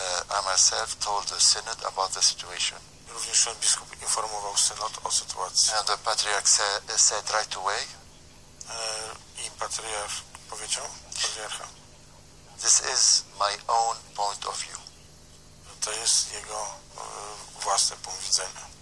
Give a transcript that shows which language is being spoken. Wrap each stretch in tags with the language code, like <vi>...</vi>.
<en>I myself told the synod about the situation.</en> <pl>Również ten biskup informował synod o sytuacji.</pl> <en>And the patriarch said right away.</en> <pl>I patriarch powiedział, patriarcha.</pl> <en>This is my own point of view.</en> <pl>To jest jego własny punkt widzenia.</pl>